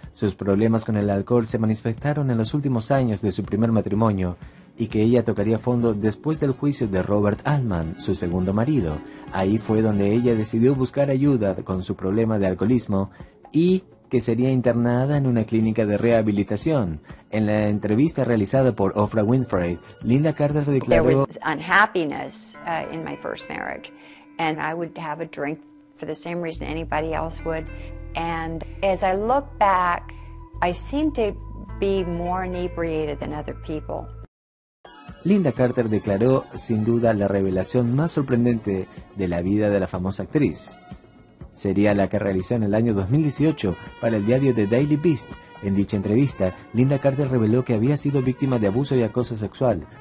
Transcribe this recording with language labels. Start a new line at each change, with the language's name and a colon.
Spanish: Sus problemas con el alcohol se manifestaron en los últimos años de su primer matrimonio y que ella tocaría fondo después del juicio de Robert Altman, su segundo marido. Ahí fue donde ella decidió buscar ayuda con su problema de alcoholismo y que sería internada en una clínica de rehabilitación. En la entrevista realizada por Oprah Winfrey, Linda Carter declaró:
English: "There was unhappiness in my first marriage, and I would have a drink for the same reason anybody else would. And as I look back, I seem to be more inebriated than other people."
Spanish: Linda Carter declaró, sin duda, la revelación más sorprendente de la vida de la famosa actriz. Sería la que realizó en el año 2018 para el diario The Daily Beast. En dicha entrevista, Linda Carter reveló que había sido víctima de abuso y acoso sexual.